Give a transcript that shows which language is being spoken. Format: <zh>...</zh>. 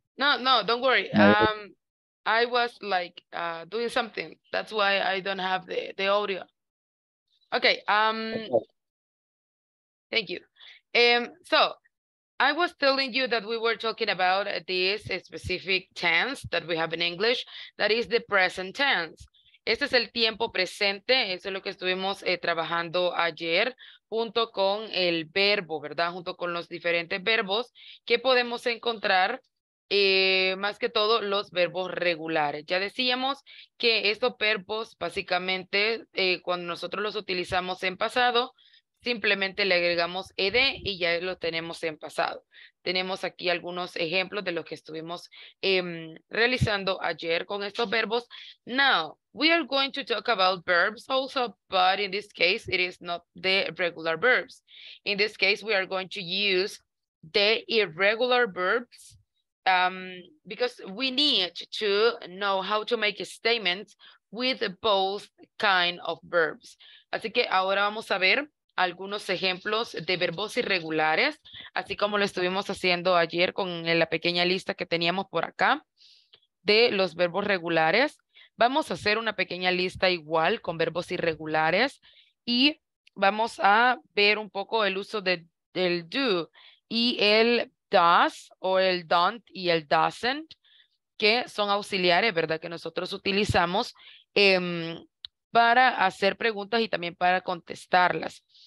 <en>No, don't worry. I was like doing something. That's why I don't have the audio. Okay. Thank you. So I was telling you that we were talking about this specific tense that we have in English. That is the present tense.</en> <es>Este es el tiempo presente, eso es lo que estuvimos trabajando ayer, junto con el verbo, ¿verdad? Junto con los diferentes verbos que podemos encontrar, más que todo los verbos regulares. Ya decíamos que estos verbos, básicamente, cuando nosotros los utilizamos en pasado, simplemente le agregamos ed y ya lo tenemos en pasado. Tenemos aquí algunos ejemplos de lo que estuvimos realizando ayer con estos verbos.</es> <en>Now, we are going to talk about verbs also, but in this case, it is not the regular verbs. In this case, we are going to use the irregular verbs because we need to know how to make statements with both kind of verbs.</en> <es>Así que ahora vamos a ver algunos ejemplos de verbos irregulares, así como lo estuvimos haciendo ayer con la pequeña lista que teníamos por acá de los verbos regulares. Vamos a hacer una pequeña lista igual con verbos irregulares y vamos a ver un poco el uso del do y el does o el don't y el doesn't, que son auxiliares, ¿verdad?, que nosotros utilizamos para hacer preguntas y también para contestarlas.</es>